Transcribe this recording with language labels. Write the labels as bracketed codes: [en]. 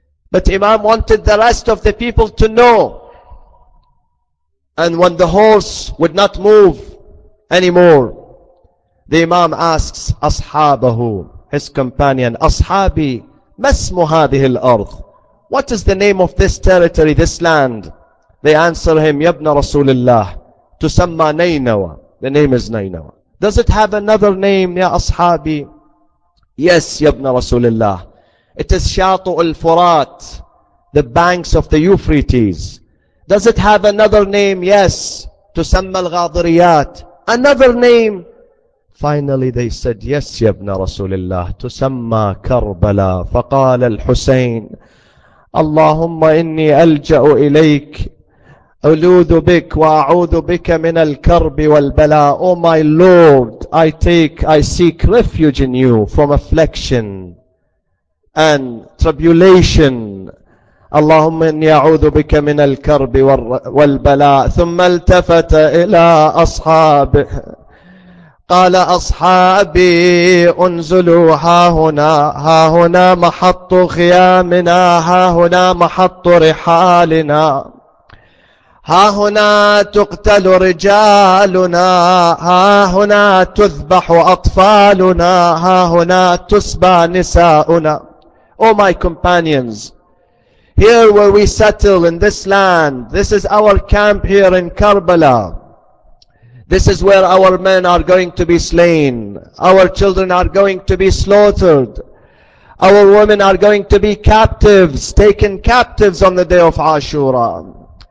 [en] But Imam wanted the rest of the people to know. And when the horse would not move anymore, the Imam asks Ashabahu, his companion, Ashabi, [ar] ما اسم هذه الأرض? [en] What is the name of this territory, this land? They answer him, [ar] يَبْنَ رَسُولِ اللَّهِ تُسَمَّى نَيْنَوَى. [en] The name is Nainawa. Does it have another name, [ar] يَا أَصْحَابِي? [en] Yes, [ar] يَبْنَ رَسُولِ اللَّهِ. [en] It is [ar] شَاطُ الْفُرَاتِ, [en] the banks of the Euphrates. Does it have another name? Yes, [ar] تُسَمَّى الْغَاضِرِيَاتِ. [en] Another name? Finally, they said, yes, [ar] يَبْنَ رَسُولِ اللَّهِ تُسَمَّى كَرْبَلَى. فَقَالَ الْحُسَيْنِ اللَّهُمَّ إِنِّي أَلْجَأُ إِلَيْكَ أولوذ بك وأعوذ بك من الكرب والبلاء. Oh my Lord, I seek refuge in you from affliction and tribulation. اللهم إني أعوذ بك من الكرب والبلاء. ثم التفت إلى أصحابه قال أصحابي أنزلوا ها هنا محط خيامنا ها هنا محط رحالنا ها هنا تقتل رجالنا ها هنا تذبح أطفالنا ها هنا تسبى نساؤنا. [en] Oh my companions, here where we settle in this land, this is our camp here in Karbala. This is where our men are going to be slain. Our children are going to be slaughtered. Our women are going to be captives, taken captives on the day of Ashura.